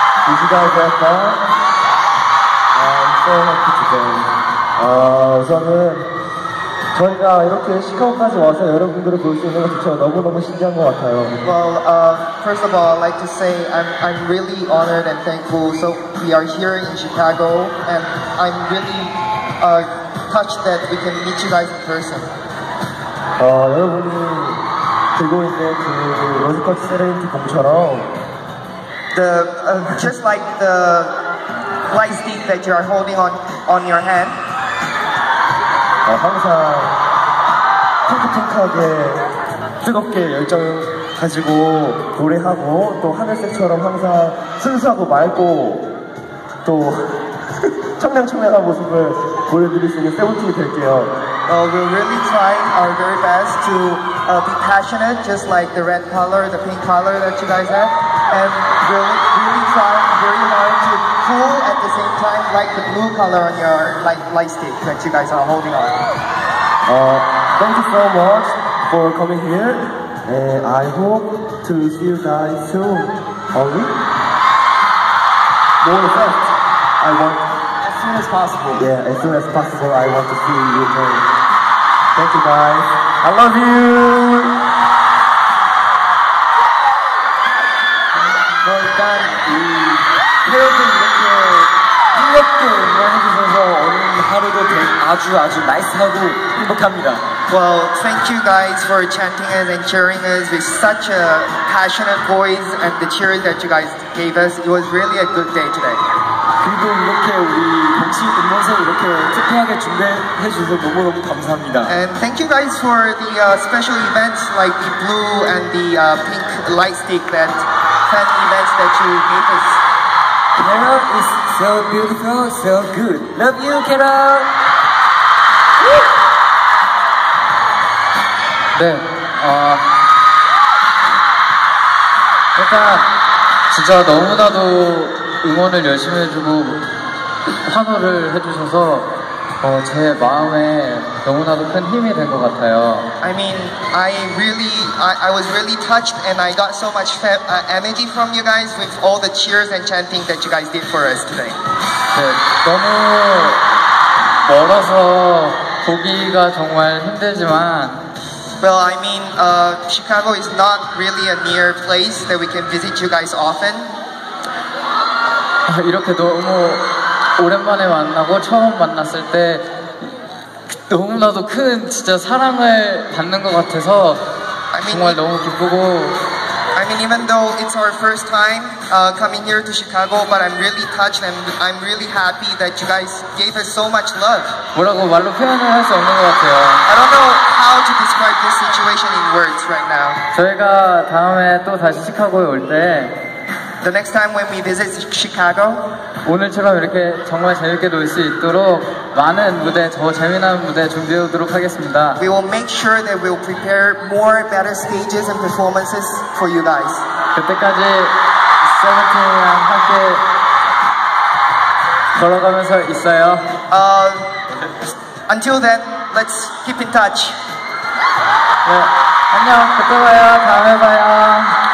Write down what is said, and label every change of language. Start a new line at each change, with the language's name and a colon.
English: Did you guys have fun? I'm so happy today.
Korean: 우선은 저희가 이렇게 시카고까지 와서 여러분들을 볼 수 있어서 저 너무너무 신기한 것 같아요.
English: Well, first of all, I'd like to say I'm really honored and thankful. So we are here in Chicago, and I'm really touched that we can meet you guys in person.
Korean: 여러분이 들고 있는 그 로즈커트 세레인티 봉처럼
English: just like the light stick that you are holding on your hand.
Korean: 항상 탱크탱크하게 뜨겁게 열정 가지고 노래하고 또 하늘색처럼 항상 순수하고 맑고 또 청량청량한 모습을 보여드릴 수 있는 세븐틴이 될게요.
English: We're really trying our very best to be passionate just like the red color, the pink color that you guys have. And really trying very hard to cool at the same time like the blue color on your light stick that you guys are holding on. Thank you so much for coming here. And I hope to see you guys soon. Only? More effect. I want as soon as possible. Yeah, as soon as possible I want to see you again. Thank you guys. I love you.
Korean: Well, 일단 이 페어들 이렇게 뜨겁게 응원해주셔서 오늘 하루도 아주 아주 나이스하고 행복합니다.
English: Well, thank you guys for chanting us and cheering us with such a passionate voice and the cheers that you guys gave us. It was really a good day today.
Korean: 그리고 이렇게 우리 같이 응원서를 이렇게 특별하게 준비해 주셔서 너무너무 감사합니다.
English: And thank you guys for the special events like the blue and the pink light stick that fan events that you gave us. Carol is so beautiful, so good. Love you, Carol!
Korean: 네, 일단 진짜 너무나도 응원을 열심히 해주고 환호를 해주셔서 제 마음에 너무나도 큰 힘이 된 것 같아요.
English: I mean, I was really touched and I got so much energy from you guys with all the cheers and chanting that you guys did for us today.
Korean: 네, 너무 멀어서 보기가 정말 힘들지만
English: Well, I mean, Chicago is not really a near place that we can visit you guys often.
Korean: 이렇게 너무 오랜만에 만나고 처음 만났을 때 너무나도 큰 진짜 사랑을 받는 것 같아서 정말 너무 기쁘고
English: I mean, even though it's our first time coming here to Chicago, but I'm really touched and I'm really happy that you guys gave us so much love.
Korean: 뭐라고 말로 표현을 할 수 없는 것 같아요.
English: I don't know how to describe this situation in words right now.
Korean: 저희가 다음에 또 다시 시카고에 올 때
English: The next time when we visit Chicago
Korean: 오늘처럼 이렇게 정말 재밌게 놀 수 있도록 많은 무대, 더 재미난 무대 준비해 오도록 하겠습니다.
English: We will make sure that we'll prepare more better stages and performances for you guys.
Korean: 그때까지 세븐틴이랑 함께 걸어가면서 있어요.
English: Until then, let's keep in touch.
Korean: 네, 안녕, 그때 봐요, 다음에 봐요.